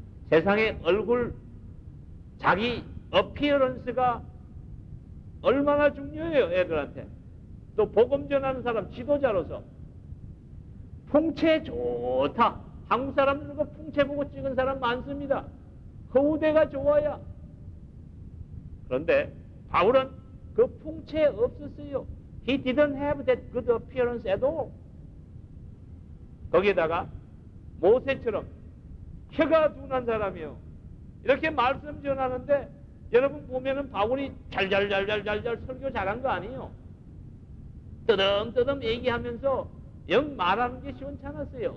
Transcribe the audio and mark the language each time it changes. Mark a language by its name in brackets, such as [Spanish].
[Korean] 세상에 얼굴 자기 어피어런스가 얼마나 중요해요. 애들한테. 또 복음 전하는 사람 지도자로서 풍채 좋다. 한국 사람들도 풍채 보고 찍은 사람 많습니다. 후대가 좋아야. 그런데 바울은 그 풍채 없었어요. [English] He didn't have that good appearance at all. [Korean] 거기에다가 모세처럼 혀가 둔한 사람이요. 이렇게 말씀 전하는데 여러분 보면은 바울이 잘잘잘잘잘잘 설교 잘한 거 아니에요. 뜨듬뜨듬 얘기하면서 영 말하는 게 시원찮았어요.